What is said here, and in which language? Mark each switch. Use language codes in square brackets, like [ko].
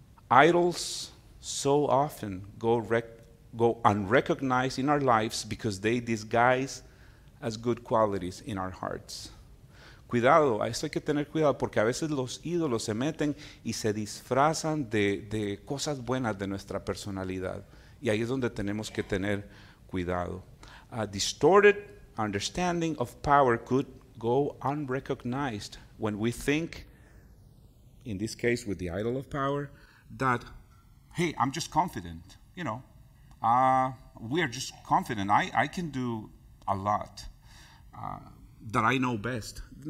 [en] Idols so often go unrecognized in our lives because they disguise as good qualities in our hearts. [es] Cuidado, esto hay que tener cuidado porque a veces los ídolos se meten y se disfrazan de cosas buenas de nuestra personalidad. Y ahí es donde tenemos que tener cuidado. [en] A distorted understanding of power could go unrecognized when we think, in this case with the idol of power, that, hey, I'm just confident, you know. We are just confident. I can do a lot that I know best.